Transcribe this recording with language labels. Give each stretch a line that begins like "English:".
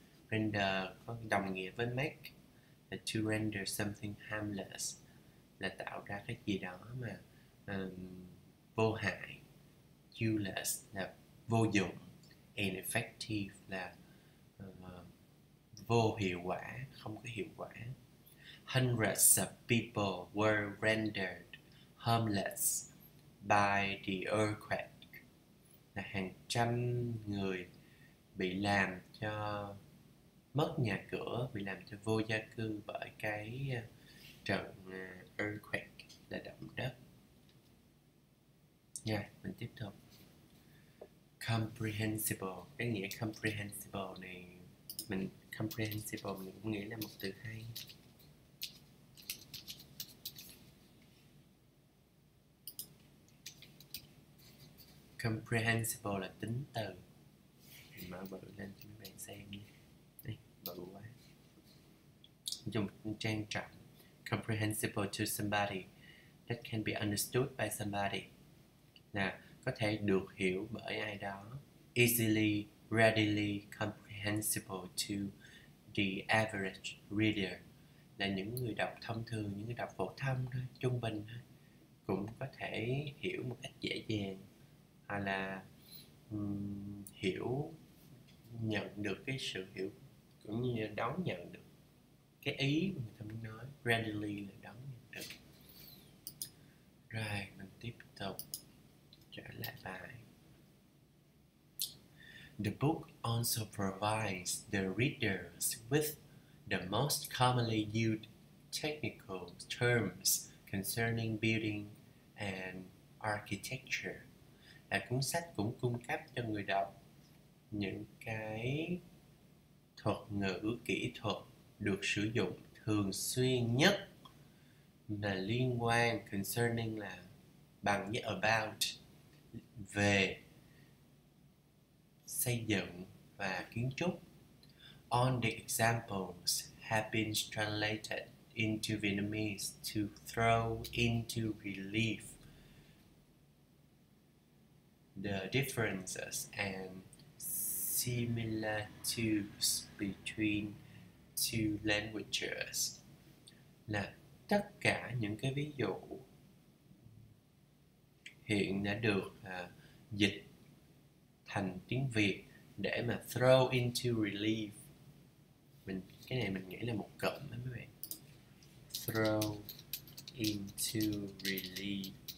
Vietnamese: Render có đồng nghĩa với make. Là
English: to render something harmless.
Vietnamese: Là tạo ra cái gì đó mà vô hại. Useless là vô dụng. Ineffective là vô hiệu quả, không có hiệu quả.
English: Hundreds of people were rendered homeless by the earthquake.
Vietnamese: Là hàng trăm người bị làm cho mất nhà cửa, bị làm cho vô gia cư bởi cái trận earthquake, là động đất. Nha, yeah, mình tiếp tục. Comprehensible, cái nghĩa comprehensible này, mình comprehensible mình cũng nghĩ là một từ hay. Comprehensible là tính từ. Mình mở bự lên cho mấy bạn xem nhé. Đây, bự quá. Dùng trang trọng.
English: Comprehensible to somebody that can be understood by somebody.
Vietnamese: Là có thể được hiểu bởi ai đó.
English: Easily, readily comprehensible to the average reader.
Vietnamese: Là những người đọc thông thường, những người đọc phổ thông thôi, trung bình thôi, cũng có thể hiểu một cách dễ dàng, hoặc là hiểu, nhận được cái sự hiểu, cũng như là đón nhận được cái ý mà người ta muốn nói. Readily là đón nhận được. Rồi, mình tiếp tục trở lại bài.
English: The book also provides the readers with the most commonly used technical terms concerning building and architecture.
Vietnamese: Là cuốn sách cũng cung cấp cho người đọc những cái thuật ngữ kỹ thuật được sử dụng thường xuyên nhất mà liên quan, concerning là bằng với about, về xây dựng và kiến trúc.
English: All the examples have been translated into Vietnamese to throw into relief the differences and similitudes between two languages.
Vietnamese: Là tất cả những cái ví dụ hiện đã được dịch thành tiếng Việt để mà
English: throw into relief.
Vietnamese: Mình cái này mình nghĩ là một cụm đó mấy bạn.
English: Throw into relief.